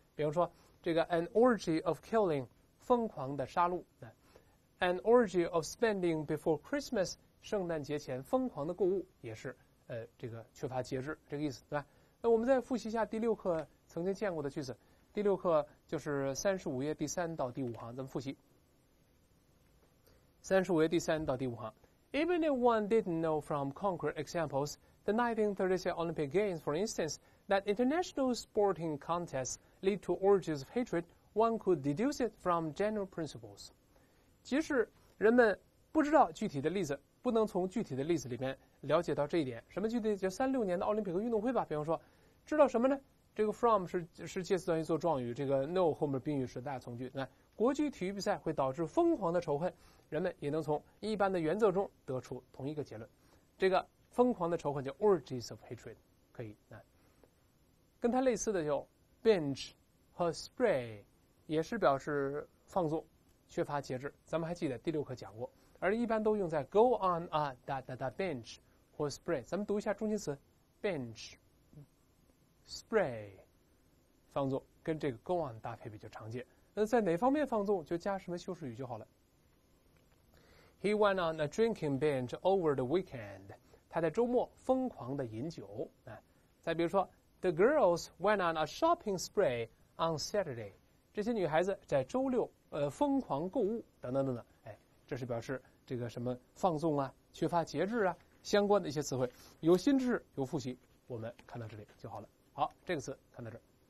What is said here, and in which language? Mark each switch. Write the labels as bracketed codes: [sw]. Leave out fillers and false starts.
[zh] 比如说这个 [en] an orgy of killing， [zh] 疯狂的杀戮， [en] an orgy of spending before Christmas， [zh] 圣诞节前疯狂的购物，也是这个缺乏节制这个意思，对吧？那我们再复习一下第六课曾经见过的句子。第六课就是35页第三到第五行，咱们复习35页第三到第五行。 [en] Even if one didn't know from concrete examples the 1936 Olympic Games for instanceThat international sporting contests lead to orgies of hatred, one could deduce it from general principles. [zh] 即使人们不知道具体的例子，不能从具体的例子里面了解到这一点。什么具体？就36年的奥林匹克运动会吧。比方说，知道什么呢？这个 from 是介词短语做状语，这个 know 后面宾语是大从句。那国际体育比赛会导致疯狂的仇恨，人们也能从一般的原则中得出同一个结论。这个疯狂的仇恨叫 [en] orgies of hatred， [zh] 可以啊。跟它类似的有 binge 和 spray， 也是表示放纵、缺乏节制。咱们还记得第六课讲过，而一般都用在 [en] go on a da da da binge [zh] 或 spray。咱们读一下中心词 binge、spray， 放纵跟这个 go on 搭配比较常见。那在哪方面放纵，就加什么修饰语就好了。 [en] He went on a drinking binge over the weekend。 [zh] 他在周末疯狂的饮酒。再比如说。 [en] The girls went on a shopping spree on Saturday. [zh] 这些女孩子在周六疯狂购物等等。哎，这是表示这个什么放纵啊、缺乏节制啊相关的一些词汇。有新知识，有复习，我们看到这里就好了。好，这个词看到这儿。